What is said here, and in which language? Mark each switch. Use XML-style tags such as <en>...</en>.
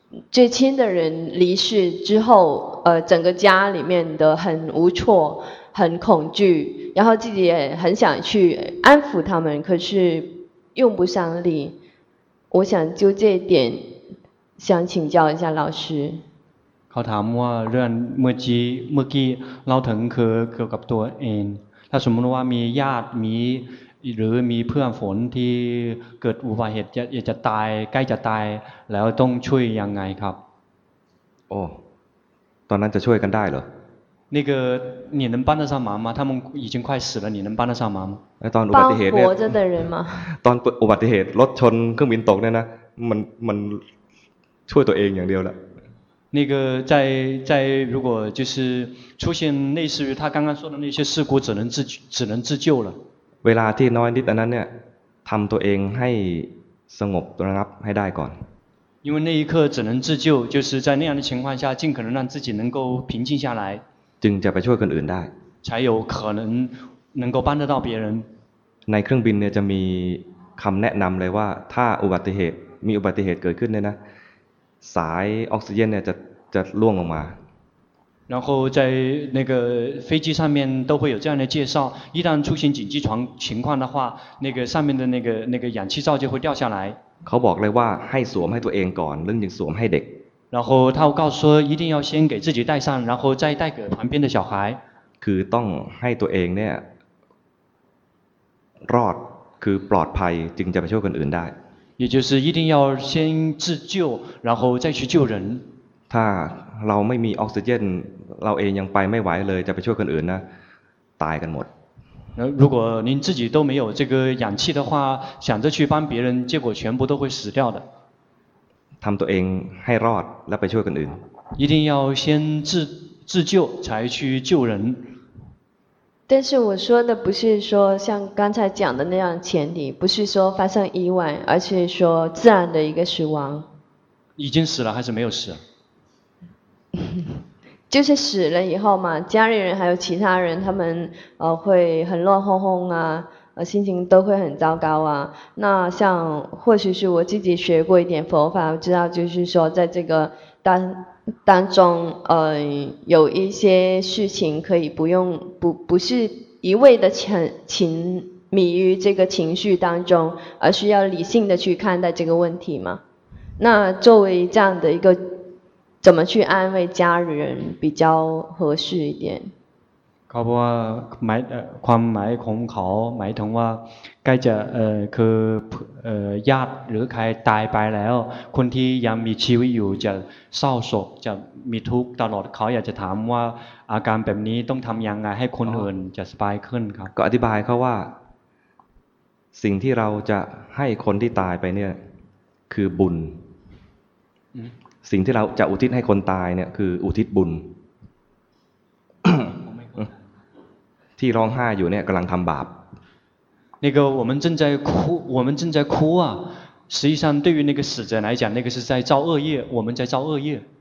<zh>最亲的人离世之后整个家里面的很无措很恐惧然后自己也很想去安抚他们可是用不上力我想就这一点想请教一下老师</zh> <th>เขาถามว่าเรื่องเมื่อกี้เราถึงคือเกี่ยวกับตัวเองถ้าสมมติว่ามีญาติมีหรือมีเพื่อนฝนที่เกิดอุบัติเหตุจะตายใกล้จะตายแล้วต้องช่วยยังไงครับ โอ้ตอนนั้นจะช่วยกันได้เหรอ</th> <zh>那个你能帮得上忙吗他们已经快死了你能帮得上忙吗帮活着的人吗</zh> <th>当อุบัติเหตุรถชนเครื่องบินตกเนี่ยนะมันช่วยตัวเองอย่างเดียวแหละ</th> <zh>那个在如果就是出现类似于他刚刚说的那些事故只能自救了</zh> <th>เวลาที่น้อยนิดนั้นเนี่ยทำตัวเองให้สงบระงับให้ได้ก่อน</th> <zh>因为那一刻只能自救就是在那样的情况下尽可能让自己能够平静下来</zh> <th>จึงจะไปช่วยคนอื่นได้</th> <zh>才有可能能够帮得到别人</zh> <th>ในเครื่องบินเนี่ยจะมีคำแนะนำเลยว่าถ้าอุบัติเหตุมีอุบัติเหตุเกิดขึ้นเนี่ยนะสายออกซิเจนเนี่ยจะล่วงออกมา</th> <zh>然后在那个飞机上面都会有这样的介绍一旦出现紧急情况的话那个上面的那个氧气罩就会掉下来</zh> <th>เขาบอกเลยว่าให้สวมให้ตัวเองก่อนเรื่องยังสวมให้เด็ก</th> <zh>然后他告诉说一定要先给自己戴上然后再戴给旁边的小孩</zh> <th>คือต้องให้ตัวเองเนี่ยรอดคือปลอดภัยจึงจะไปช่วยคนอื่นได้</th> <zh>也就是一定要先自救然后再去救人</zh> <th>ถ้าเราไม่มีออกซิเจนเราเองยังไปไม่ไหวเลยจะไปช่วยคนอื่นนะตายกันหมด</th> <zh>如果您自己都没有这个氧气的话想着去帮别人结果全部都会死掉的</zh> <th>ทำตัวเองให้รอดแล้วไปช่วยคนอื่น</th> <zh>一定要先自救才去救人但是我说的不是说像刚才讲的那样前提不是说发生意外而是说自然的一个死亡已经死了还是没有死就是死了以后嘛家里人还有其他人他们会很乱哄哄啊心情都会很糟糕啊那像或许是我自己学过一点佛法我知道就是说在这个当中有一些事情可以不用 不是一味的沉迷于这个情绪当中而是要理性的去看待这个问题嘛那作为这样的一个怎么去安慰家人比较合适一点</zh> <th>เขาบอกว่าความหมายของเขาหมายถึงว่าใกล้จะคือญาติหรือใครตายไปแล้วคนที่ยังมีชีวิตอยู่จะเศร้าโศกจะมีทุกข์ตลอดเขาอยากจะถามว่าอาการแบบนี้ต้องทำยังไงให้คนอื่นจะสบายขึ้นครับ ก็อธิบายเขาว่าสิ่งที่เราจะให้คนที่ตายไปเนี่ยคือบุญ สิ่งที่เราจะอุทิศให้คนตายเนี่ยคืออุทิศบุญ ที่ร้องไห้อยู่เนี่ยกำลังทำบาป</th> <zh>那个我们正在哭我们正在哭啊实际上对于那个死者来讲那个是在造恶业我们在造恶业</zh>